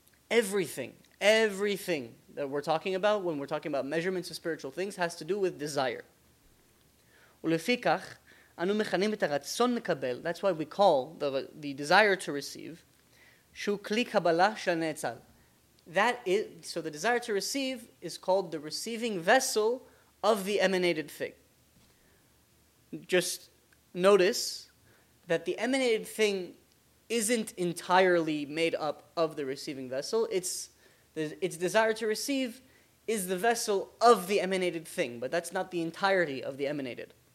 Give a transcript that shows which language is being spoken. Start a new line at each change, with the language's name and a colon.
English: Everything that we're talking about when we're talking about measurements of spiritual things has to do with desire.
Hebrew: ולפיכך, אנו מכנים את הרצון לקבל,
English: that's why we call the desire to receive,
Hebrew: שהוא כלי קבלה של הנאצל.
English: That is, so the desire to receive is called the receiving vessel of the emanated thing. Just notice that the emanated thing isn't entirely made up of the receiving vessel. Its desire to receive is the vessel of the emanated thing, but that's not the entirety of the emanated.